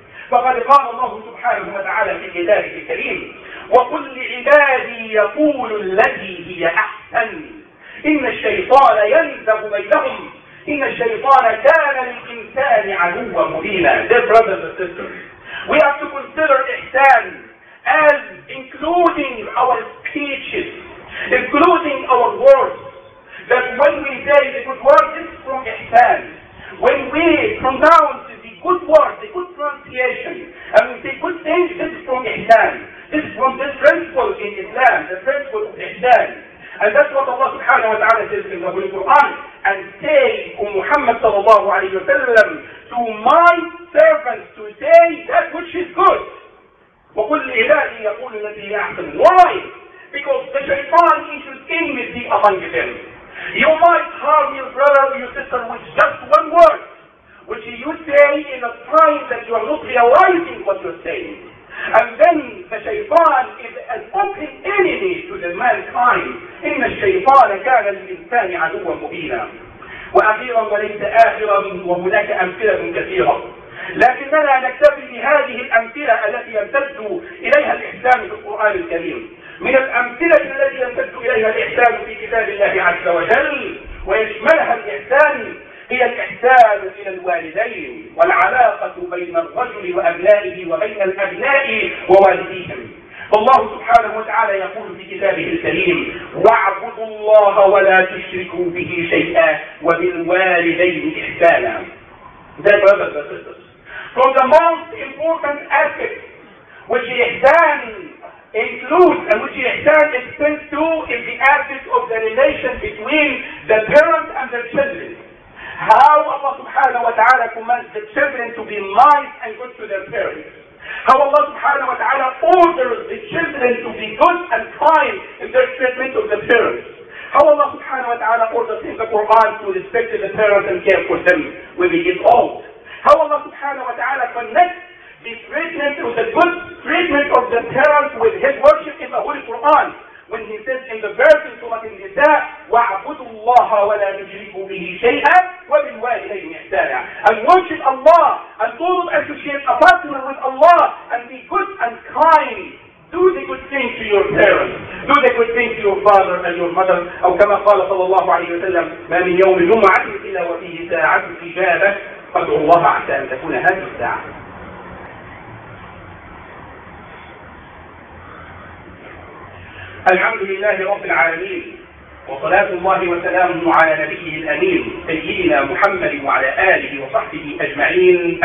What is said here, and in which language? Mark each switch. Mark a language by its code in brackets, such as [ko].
[ar] فقد قال الله سبحانه وتعالى في كتابه الكريم: وَقُلْ لِعِبَادِي يَقُولُ الَّذِي هِيَ أَحْسَنُ إن الشيطان ينزغ بينهم إن الشيطان كان للإنسان عدوا مبينا. [en] Dear brothers and sisters, we have to consider ihsan as including our speeches, including our words. That when we say the good word, this is from ihsan. When we pronounce the good word, the good pronunciation, and we say good things, this is from ihsan. This is from this principle in Islam, the principle of ihsan. And that's what Allah subhanahu wa ta'ala says in the Holy Quran. And say, O Muhammad sallallahu alayhi wa sallam, to my servants to say that which is good. [ar] وَقُلْ لِعِبَادِي يَقُولُ الَّذِي أَحْسَنُ. Why? [en] Because the shaitan is in enmity among them. You might harm your brother or your sister with just one word, which you say in a time that you are not realizing what you're saying. And then the shaytan is an open enemy to the mankind. [ar] إن الشيطان كان للإنسان عدوا مبينا. وأخيرا وليس آخرا وهناك أمثلة كثيرة. لكننا نكتفي بهذه الأمثلة التي يمتد إليها الإحسان في القرآن الكريم. من الأمثلة التي يمتد إليها الإحسان في كتاب الله عز وجل ويشملها الإحسان هي الإحسان إلى الوالدين والعلاقة بين الرجل وأبنائه وبين الأبناء ووالديهم. فالله سبحانه وتعالى يقول في كتابه الكريم: واعبدوا الله ولا تشركوا به شيئا وبالوالدين إحسانا. [en] That brothers and sisters, from the most important aspects which إحسان includes and which إحسان extends to is the aspect of the relation between the parents and their children. How Allah subhanahu wa ta'ala commands the children to be nice and good to their parents. How Allah subhanahu wa ta'ala orders the children to be good and kind in their treatment of the parents. How Allah subhanahu wa ta'ala orders in the Quran to respect the parents and care for them when they get old. How Allah subhanahu wa ta'ala connects the treatment of the good treatment of the parents with his worship in the Holy Quran. When he says in the verse in Surah An-Nisa, [ar] وَعْبُدُوا اللَّهَ وَلَا نُشْرِكُوا بِهِ شَيْئًا وَبِالْوَالِدَيْنِ إِحْسَانًا. [en] And worship Allah, and don't associate a partner with Allah, and be good and kind. Do the good thing to your parents. Do the good thing to your father and your mother. [ar] أو كما قال صلى الله عليه وسلم: ما من يوم جمعة إلا وفيه ساعة إجابة فادعوا الله عسى أن تكون هذه الساعة. الحمد لله رب العالمين، وصلاة الله وسلامه على نبيه الأمين سيدنا محمد وعلى آله وصحبه أجمعين.